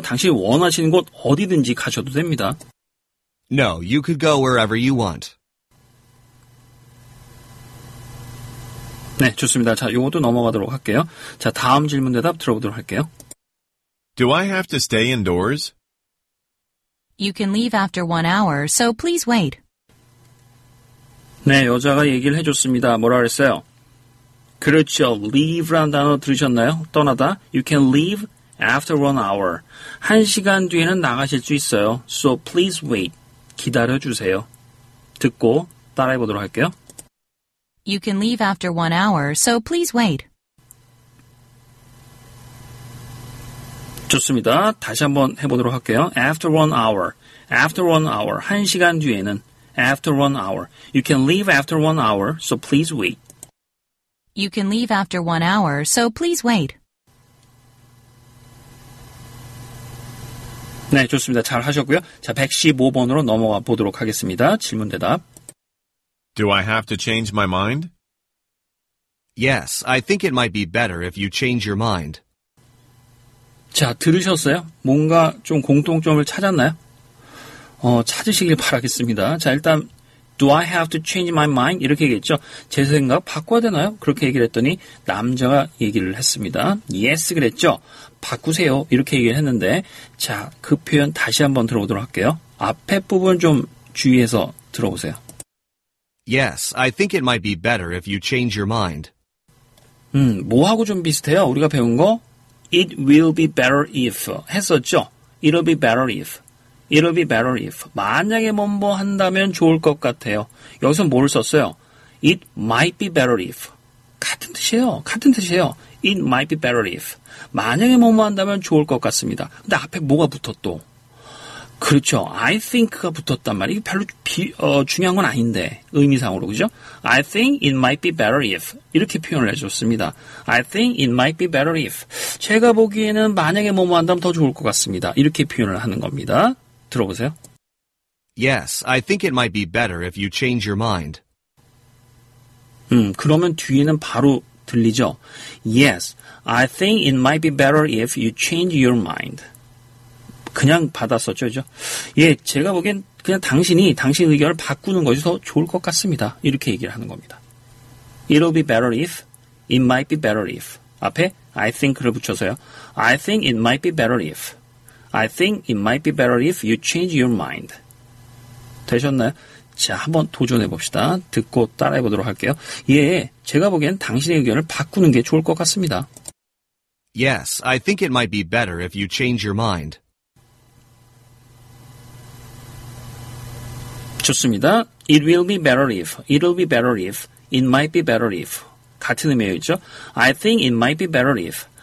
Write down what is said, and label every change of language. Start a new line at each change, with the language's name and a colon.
Korean: 당신이 원하시는 곳 어디든지 가셔도 됩니다.
English: No, you could go wherever you want.
Korean: 네, 좋습니다. 자, 요것도 넘어가도록 할게요. 자, 다음 질문 대답 들어보도록 할게요.
English: Do I have to stay indoors? You can leave after one hour, so please wait.
Korean: 네, 여자가 얘기를 해줬습니다. 뭐라 그랬어요? 그렇죠. leave라는 단어 들으셨나요? 떠나다.
English: You can leave after one hour.
Korean: 한 시간 뒤에는 나가실 수 있어요.
English: So please wait.
Korean: 기다려주세요. 듣고 따라해보도록 할게요.
English: You can leave after one hour, so please wait.
Korean: 좋습니다. 다시 한번 해보도록 할게요.
English: After one hour. After one hour.
Korean: 한 시간 뒤에는.
English: After one hour. You can leave after one hour, so please wait. You can leave after one hour, so please wait.
Korean: 네, 좋습니다. 잘 하셨고요. 자, 115번으로 넘어가 보도록 하겠습니다. 질문 대답.
English: Do I have to change my mind? Yes, I think it might be better if you change your mind.
Korean: 자, 들으셨어요? 뭔가 좀 공통점을 찾았나요? 찾으시길 바라겠습니다. 자, 일단
English: Do I have to change my mind?
Korean: 이렇게 얘기했죠. 제 생각 바꿔야 되나요? 그렇게 얘기를 했더니 남자가 얘기를 했습니다. Yes, 그랬죠. 바꾸세요. 이렇게 얘기를 했는데 자, 그 표현 다시 한번 들어보도록 할게요. 앞에 부분 좀 주의해서 들어보세요.
English: Yes, I think it might be better if you change your mind.
Korean: 뭐하고 좀 비슷해요? 우리가 배운 거?
English: It will be better if.
Korean: 했었죠?
English: It'll be better if. It'll be better if.
Korean: 만약에 뭐뭐 한다면 좋을 것 같아요. 여기서 뭘 썼어요?
English: It might be better if.
Korean: 같은 뜻이에요. 같은 뜻이에요.
English: It might be better if.
Korean: 만약에 뭐뭐 한다면 좋을 것 같습니다. 근데 앞에 뭐가 붙었죠? 그렇죠. I think가 붙었단 말이에요. 이게 별로 중요한 건 아닌데, 의미상으로, 그죠?
English: I think it might be better if.
Korean: 이렇게 표현을 해줬습니다.
English: I think it might be better if.
Korean: 제가 보기에는 만약에 뭐뭐 한다면 더 좋을 것 같습니다. 이렇게 표현을 하는 겁니다. 들어보세요.
English: Yes, I think it might be better if you change your mind.
Korean: 그러면 뒤에는 바로 들리죠?
English: Yes, I think it might be better if you change your mind.
Korean: 그냥 받았었죠, 그죠? 예, 제가 보기엔 그냥 당신 의견을 바꾸는 것이 더 좋을 것 같습니다. 이렇게 얘기를 하는 겁니다.
English: It'll be better if, it might be better if. 앞에 I think를 붙여서요. I think it might be better if. I think it might be better if you change your mind.
Korean: 되셨나요? 자, 한번 도전해 봅시다. 듣고 따라해 보도록 할게요. 예, 제가 보기엔 당신의 의견을 바꾸는 게 좋을 것 같습니다.
English: Yes, I think it might be better if you change your mind.
Korean: 좋습니다.
English: It will be better if. It'll be better if. It might be better if.
Korean: 같은 의미예요, 그렇죠?
English: I think it might be better if.